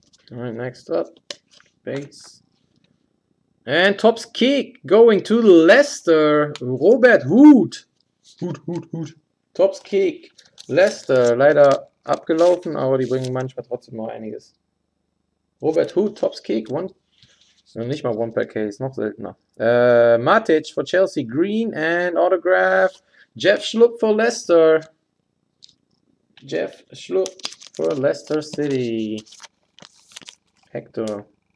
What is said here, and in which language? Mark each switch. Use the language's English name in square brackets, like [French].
[English] All right, next up, base. And top's kick going to Leicester, Robert Hood. Hood. [German] Top's kick, Leicester, leider abgelaufen, aber die bringen manchmal trotzdem noch einiges. Robert Hood, top's kick, nicht mal [English] one per case, [German] noch seltener. [English] Matic for Chelsea, green and autograph. Jeff Schlupp for Leicester. Jeff Schlupp for Leicester City. Hector.